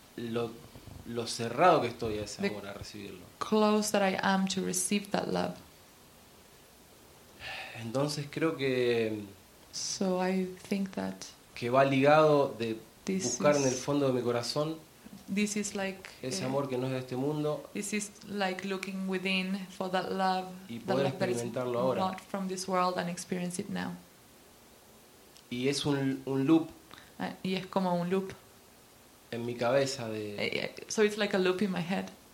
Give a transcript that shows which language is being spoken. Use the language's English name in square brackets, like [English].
[Spanish] Lo cerrado que estoy a ese amor a recibirlo. [English] Close that I am to receive that love. [Spanish] Entonces creo que. [English] So I think that. [Spanish] Que va ligado de buscar en el fondo de mi corazón. [English] This is like [Spanish] ese amor que no es de este mundo. [English] This is like looking within for that love [Spanish] y poder experimentarlo ahora. [English] Not from this world and experience it now. [Spanish] Y es un loop. Y es como un loop. En mi cabeza de. [English] So it's like a loop in my head.